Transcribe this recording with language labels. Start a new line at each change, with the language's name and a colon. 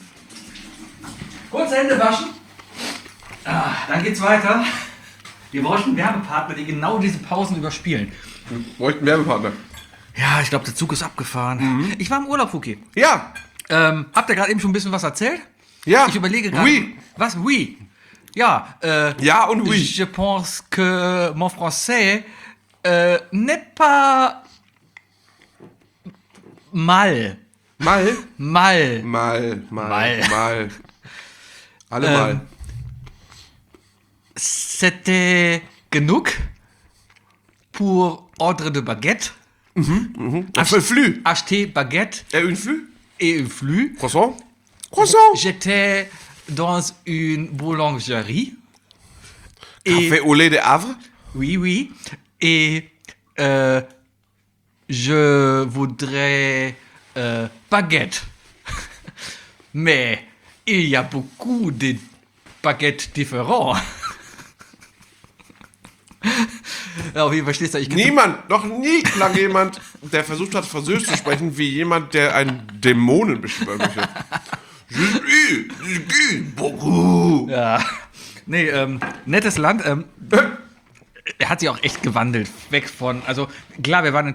German: Ja. Kurze Hände waschen. Dann geht's weiter. Wir bräuchten Werbepartner, die genau diese Pausen überspielen. Wir bräuchten Werbepartner. Ja, ich glaube, der Zug ist abgefahren. Mhm. Ich war im Urlaub, Fuki. Ja. Habt ihr gerade eben schon ein bisschen was erzählt? Ja. Ich überlege gerade.
French: Oui.
German: Was? Oui. Ja. Ja und
French: oui. Je pense que mon français n'est pas mal. Mal? Mal. Mal. Mal. Mal.
German: Mal. Alle mal.
French: C'était
German: genug
French: pour ordre de baguette. Un flux. Acheter baguette. Et une flux. Et une flux. Croissant. Croissant. J'étais dans une boulangerie. Café au lait de Havre. Oui, oui. Et je voudrais baguette. Mais il y a beaucoup de baguettes différentes.
German: Ja, wie verstehst du? Ich niemand, noch nie klang jemand, der versucht hat, Französisch zu sprechen, wie jemand, der einen Dämonen beschwören möchte.
French: Je suis, beaucoup.
German: Ja. Nee, nettes Land. Er hat sich auch echt gewandelt. Weg von, also klar, wir waren in